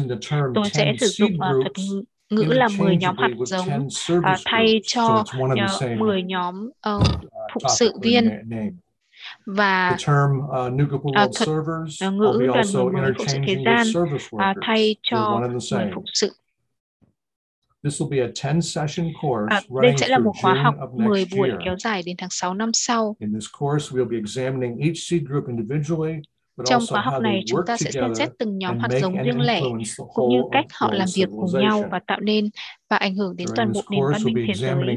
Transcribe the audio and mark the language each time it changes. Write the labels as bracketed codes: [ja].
[vi] Tôi sẽ sử dụng thuật ngữ là 10 nhóm hạt giống thay cho 10 nhóm phục sự viên. Và thuật ngữ gần mới phục sự thế gian thay cho người phục sự. [en] This will be a 10 session course [vi] Đây sẽ là một khóa học 10 buổi kéo dài đến tháng 6 năm sau. [en] In this course, we'll be examining each seed group individually. [vi] Trong khóa học này, chúng ta sẽ xem xét từng nhóm hạt giống riêng lẻ, cũng như cách họ làm việc cùng nhau và tạo nên và ảnh hưởng đến toàn bộ nền văn minh thế giới.